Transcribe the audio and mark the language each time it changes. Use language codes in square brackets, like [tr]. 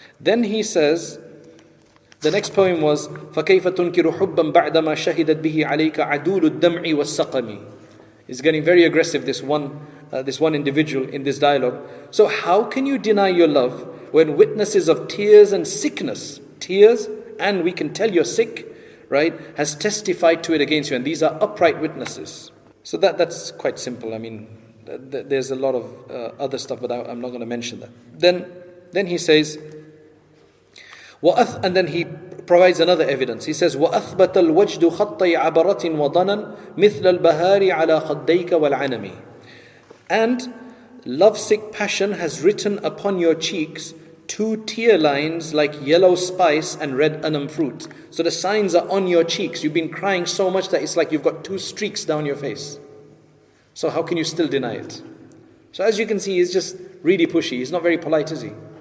[en] Then he says, the next poem was, [ar] فَكَيْفَ تُنْكِرُ حُبًّا بَعْدَمَا شَهِدَتْ بِهِ عَلَيْكَ عَدُولُ الدَّمْعِ وَالسَّقَمِ. [en] It's getting very aggressive, this one individual in this dialogue. So how can you deny your love when witnesses of tears and sickness, tears, and we can tell you're sick, right, has testified to it against you. And these are upright witnesses. So that's quite simple. I mean, there's a lot of other stuff, but I'm not going to mention that. Then he says, and then he provides another evidence. He says, [ar] وَأَثْبَتَ الْوَجْدُ خَطَّي عَبَرَةٍ وَضَنًا مِثْلَ الْبَهَارِ عَلَى خَدَّيْكَ وَالْعَنَمِ. [en] And lovesick passion has written upon your cheeks two tear lines like yellow spice and red anam fruit. So the signs are on your cheeks. You've been crying so much that it's like you've got two streaks down your face. So how can you still deny it? So as you can see, he's just really pushy. He's not very polite, is he?